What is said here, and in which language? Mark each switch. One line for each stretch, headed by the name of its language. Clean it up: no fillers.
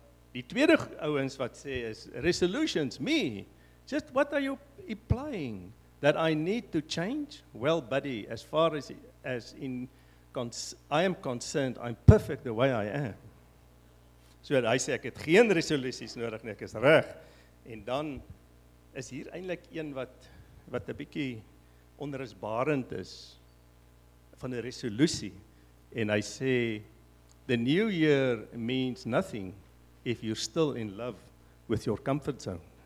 Afrikaans: Die tweede ouens wat sê is,
English: resolutions, me, just what are you implying? That I need to change? Well, buddy, as far as I am concerned, I'm perfect the way I am.
Afrikaans: So hy sê, ek het geen resolusies nodig, nie, ek is reg. En dan is hier eintlik een wat 'n bietjie onrusbarend is van 'n resolusie. En hy sê,
English: the new year means nothing if you're still in love with your comfort zone.